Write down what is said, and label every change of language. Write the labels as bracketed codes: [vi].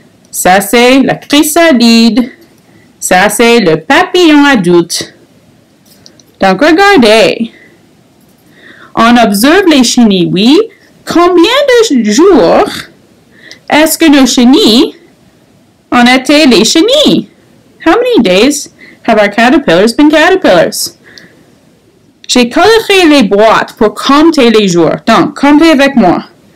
[fr] Ça, c'est la chrysalide. Ça, c'est le papillon adulte. Donc, regardez. On observe les chenilles, oui. Combien de jours est-ce que nos chenilles ont été les chenilles? [en] How many days have our caterpillars been caterpillars? [fr] J'ai coloré les boîtes pour compter les jours. Donc, comptez avec moi.